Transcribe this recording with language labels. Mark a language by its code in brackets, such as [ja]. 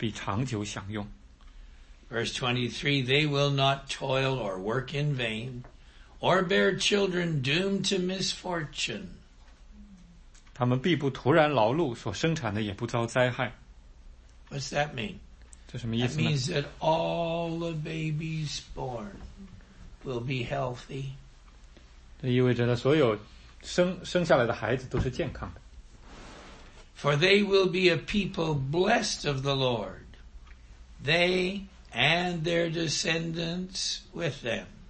[zh] 他们建造的别人不得住，他们栽种的别人不得吃，因为我民的日子必像树木的日子，我选民亲手劳碌得来的必长久享用。Verse [en] 23, they will not toil or work in vain, or bear children doomed to misfortune. [zh] 他们必不徒然劳碌，所生产的也不遭灾害。What's [en] that mean? [zh] 这什么意思呢？ [en] That means that all the babies born will be healthy. [zh] 这意味着呢，所有生下来的孩子都是健康的。 [en] For they will be a people blessed of the Lord, they and their descendants with them.